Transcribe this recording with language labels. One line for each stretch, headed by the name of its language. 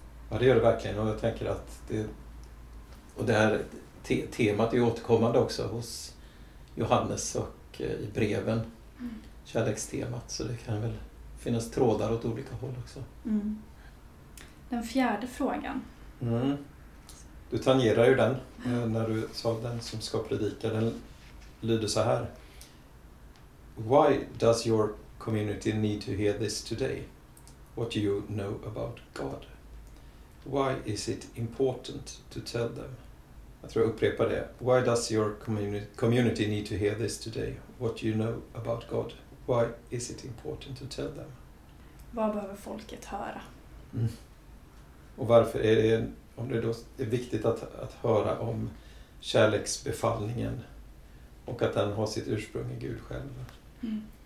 Swedish: Ja, det gör det verkligen. Och jag tänker att det... Och det här temat är ju återkommande också hos Johannes och i breven. Mm. Kärlekstemat. Så det kan väl finnas trådar åt olika håll också. Mm. Den fjärde frågan. Mm. Du tangerar ju den när du sa den som ska predika. Den lyder så här.
English: Why does your community need to hear this today? What do you know about God? Why is it important to tell them?
Swedish: Jag tror jag upprepar det.
English: Why does your community need to hear this today? What do you know about God? Why is it important to tell them?
Swedish: Vad behöver folket höra? Mm. Och varför är det, om det då är viktigt att höra om kärleksbefallningen och att den har sitt ursprung i Gud själv? Mm.